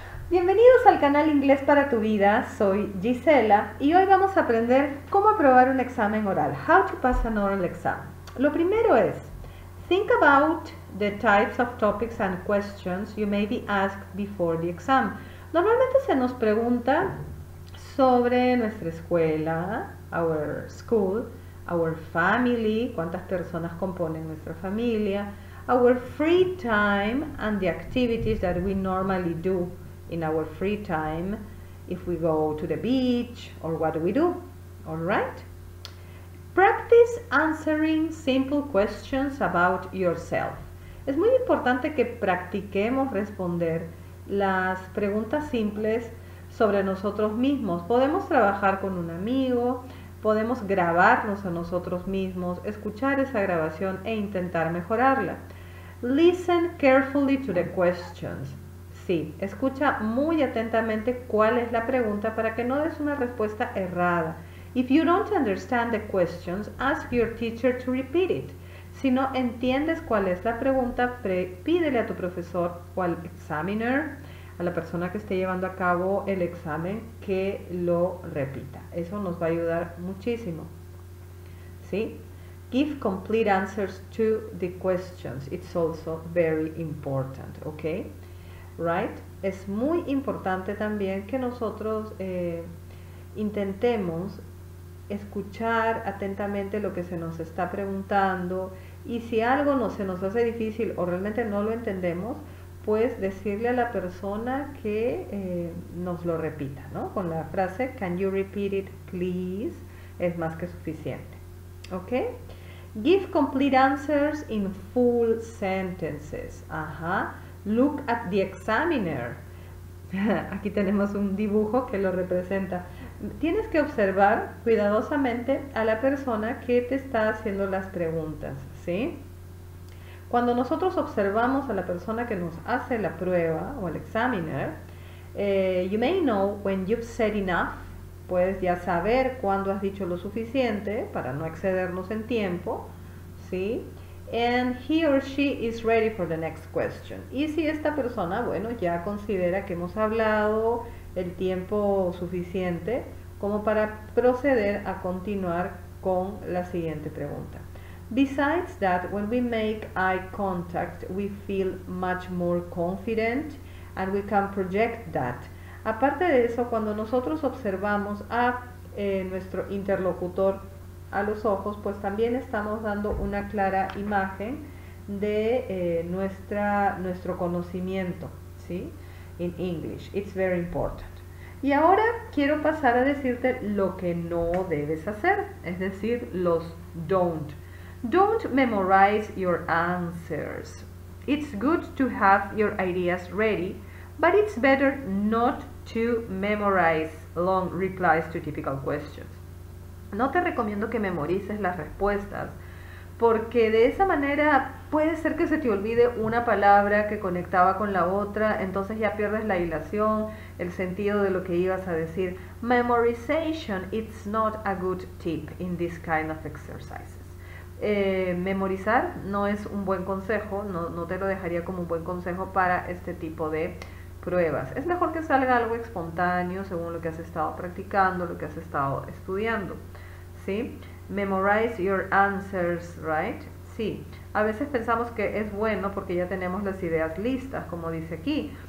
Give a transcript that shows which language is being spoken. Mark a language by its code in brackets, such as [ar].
[es] Bienvenidos al canal Inglés para tu Vida, soy Gisela y hoy vamos a aprender cómo aprobar un examen oral. [en] How to pass an oral exam. [es] Lo primero es, [en] think about the types of topics and questions you may be asked before the exam. [es] Normalmente se nos pregunta sobre nuestra escuela, [en] our school, our family, [es] cuántas personas componen nuestra familia, [en] our free time and the activities that we normally do in our free time, if we go to the beach, or what do we do, all right? Practice answering simple questions about yourself. [es] Es muy importante que practiquemos responder las preguntas simples sobre nosotros mismos. Podemos trabajar con un amigo, podemos grabarnos a nosotros mismos, escuchar esa grabación e intentar mejorarla. [en] Listen carefully to the questions. [es] Sí, escucha muy atentamente cuál es la pregunta para que no des una respuesta errada. [en] If you don't understand the questions, ask your teacher to repeat it. [es] Si no entiendes cuál es la pregunta, pídele a tu profesor o al examiner, a la persona que esté llevando a cabo el examen, que lo repita. Eso nos va a ayudar muchísimo. ¿Sí? [en] Give complete answers to the questions. It's also very important, ¿ok? Right? [es] Es muy importante también que nosotros intentemos escuchar atentamente lo que se nos está preguntando y si algo se nos hace difícil o realmente no lo entendemos, pues decirle a la persona que nos lo repita, ¿no? Con la frase, [en] can you repeat it, please? [es] Es más que suficiente, [en] ¿ok? Give complete answers in full sentences. Ajá. Look at the examiner. [es] Aquí tenemos un dibujo que lo representa. Tienes que observar cuidadosamente a la persona que te está haciendo las preguntas, ¿sí? Cuando nosotros observamos a la persona que nos hace la prueba o el examiner, [en] you may know when you've said enough. [es] Puedes ya saber cuándo has dicho lo suficiente para no excedernos en tiempo, ¿sí? [en] And he or she is ready for the next question. [es] Y si esta persona, bueno, ya considera que hemos hablado el tiempo suficiente como para proceder a continuar con la siguiente pregunta. [en] Besides that, when we make eye contact, we feel much more confident and we can project that. [es] Aparte de eso, cuando nosotros observamos a nuestro interlocutor a los ojos, pues también estamos dando una clara imagen de nuestro conocimiento, ¿sí? [en] In English, it's very important. [es] Y ahora quiero pasar a decirte lo que no debes hacer, es decir, los don't. [en] Don't memorize your answers. It's good to have your ideas ready, but it's better not to memorize long replies to typical questions. [es] No te recomiendo que memorices las respuestas, porque de esa manera puede ser que se te olvide una palabra que conectaba con la otra, entonces ya pierdes la hilación, el sentido de lo que ibas a decir. [en] Memorization, it's not a good tip in this kind of exercises. [es] Memorizar no es un buen consejo, no te lo dejaría como un buen consejo para este tipo de pruebas. Es mejor que salga algo espontáneo según lo que has estado practicando, lo que has estado estudiando, ¿sí? [en] Memorize your answers, right? [es] Sí, a veces pensamos que es bueno porque ya tenemos las ideas listas, como dice aquí.